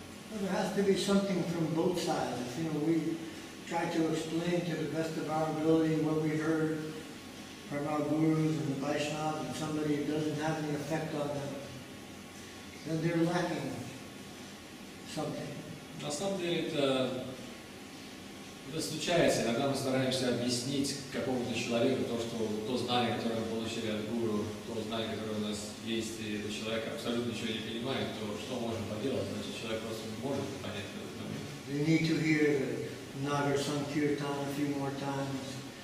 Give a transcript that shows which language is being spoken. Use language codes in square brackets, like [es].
[en] Well, there has to be something from both sides. You know, we try to explain to the best of our ability what we heard from our gurus and the Vaishnavas, and somebody who doesn't have any effect on them, then they're lacking something. [ru] На самом деле это случается. Иногда мы стараемся объяснить какому-то человеку то, что то знание, которое мы получили от гуру, то знание, которое у нас есть, и этот человек абсолютно ничего не понимает, то что можем поделать? Значит, человек просто не может понять этот момент. [en] You need to hear Nagar Sankirtan a few more times.